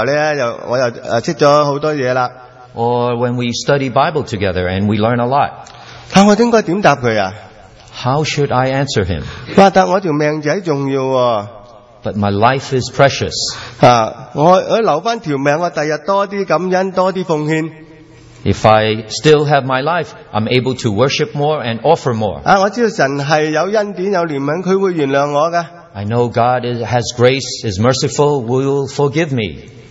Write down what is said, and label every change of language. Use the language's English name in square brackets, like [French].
[Chinese] 或者我们看圣经的时候,我又懂了很多东西了。 [English] Or when we study Bible together and we learn a lot. [Chinese] 我应该怎么回答他? [English] How should I answer him? [Chinese] 但我的命很重要。 [English] But my life is precious. [Chinese] 我留回条命,我第日多些感恩,多些奉献。 [English] If I still have my life, I'm able to worship more and offer more. [Chinese] 我知道神是有恩典,有怜悯,祂会原谅我的。 [English] I know God has grace, is merciful, will forgive me.